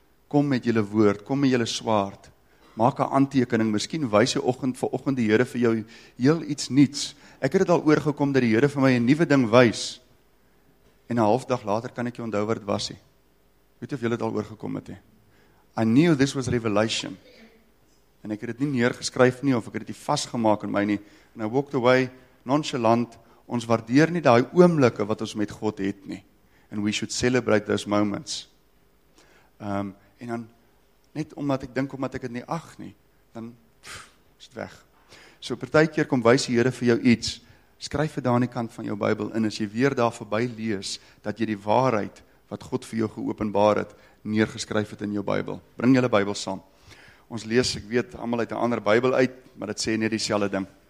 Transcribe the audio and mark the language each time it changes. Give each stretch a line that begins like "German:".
Afrikaans: Kom met julle woord, kom met julle swaard. Maak 'n aantekening, miskien wys jy oggend vir oggend die Here vir jou heel iets nuuts. Ek het dit al oorgekom dat die Here vir my 'n nuwe ding wys. En 'n halfdag later kan ek jou onthou wat dit was. Weet jy of jy dit al oorgekom het?
English: I knew this was revelation.
Afrikaans: En ek het dit nie neergeskryf nie, of ek het dit nie vasgemaak in my nie.
English: And I walked away nonchalant.
Afrikaans: Ons waardeer nie daai oomblikke wat ons met God het nie.
English: And we should celebrate those moments.
Afrikaans: En dan, net omdat ek dink, omdat ek het nie ag nie, dan is het weg. So partykeer kom wys die Here vir jou iets, skryf dit daar aan die kant van jou Bybel in, as jy weer daar voorbij lees, dat jy die waarheid, wat God vir jou geopenbaar het, neergeskryf het in jou Bybel. Bring julle Bybel saam. Ons lees, ek weet, allemaal uit 'n ander Bybel uit, maar dit sê net dieselfde ding.